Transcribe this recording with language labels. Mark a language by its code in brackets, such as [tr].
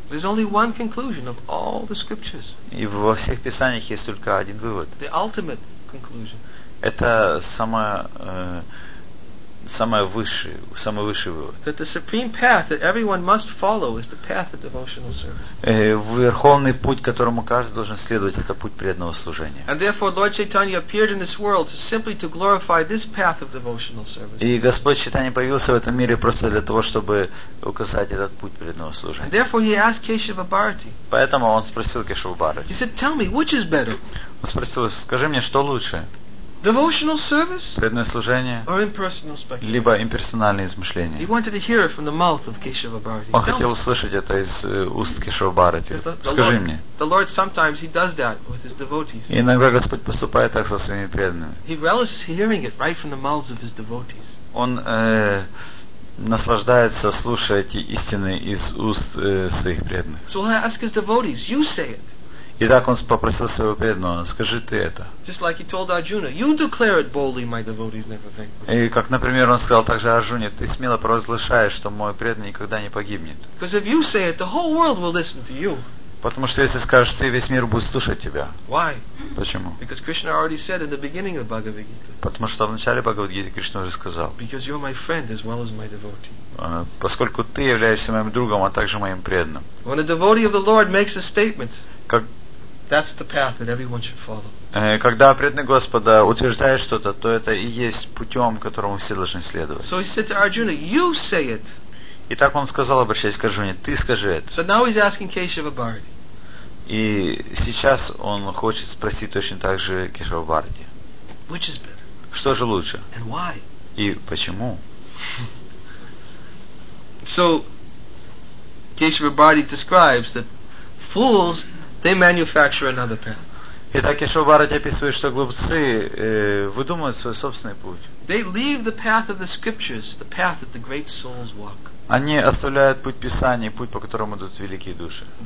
[en] There's only one conclusion of all the scriptures. [ru] И во всех писаниях есть только один вывод. [en] The ultimate conclusion. [ru] Это самый высший вывод. [en] That the supreme path that everyone must follow is the path of devotional service. [ru] Верховный путь, которому каждый должен следовать, это путь преданного служения. [en] And therefore, Lord Chaitanya appeared in this world to simply to glorify this path of devotional service. [ru] И Господь Чайтанья появился в этом мире просто для того, чтобы указать этот путь преданного служения. [en] And therefore, he asked Keshava Bharati. [ru] Поэтому он спросил Кешава Бхарати. [en] He said, "Tell me, which is better?" [ru] Он спросил: "Скажи мне, что лучше?" [en] Devotional service, [ru] преданное служение, [en] or impersonal speculation. [ru] Либо имперсональные измышления. [en] He wanted to hear it from the mouth of Keshava Bharati. [ru] Он хотел услышать это из уст Кешава Бхарати. Скажи мне. [en] The Lord sometimes he does that with his devotees. [ru] Иногда Господь поступает так со своими преданными. [en] He relishes hearing it right from the mouths of his devotees. [ru] Он наслаждается слушая эти истины из уст своих преданных. [en] So I ask his devotees, you say it. [ru] И так он попросил своего преданного, скажи ты это. [en] Just like he told Arjuna, you declare it boldly, my devotees never vanquished. [ru] И как, например, он сказал также Арджуне, ты смело провозглашаешь, что мой преданный никогда не погибнет. [en] Because if you say it, the whole world will listen to you. [ru] Потому что если скажешь ты, весь мир будет слушать тебя. [en] Why? [ru] Почему? [en] Because Krishna already said in the beginning of Bhagavad Gita. [ru] Потому что в начале Бхагавад Гиты Кришна уже сказал. [en] Because you're my friend as well as my devotee. [ru] Поскольку ты являешься моим другом, а также моим преданным. [en] When a devotee of the Lord makes a statement. [ru] Как [en] That's the path that everyone should follow. [ru] Когда преданный Господа утверждает что-то, то это и есть путем, которому все должны следовать. [en] So he said to Arjuna, you say it. [ru] И так он сказал, обращаясь к Арджуне, ты скажи это. [en] So now he's asking Keshava Bharati. [ru] И сейчас он хочет спросить точно так же Кешава Бхарати. [en] Which is better? [ru] Что же лучше? [en] And why? [ru] И почему? [en] So Keshava Bharati describes that fools they manufacture another path. [ru] Итак, Кешава Бхарати описывает, что глупцы выдумывают свой собственный путь. [en] They leave the path of the scriptures, the path that the great souls walk. [ru] Они оставляют путь Писания, путь, по которому идут великие души.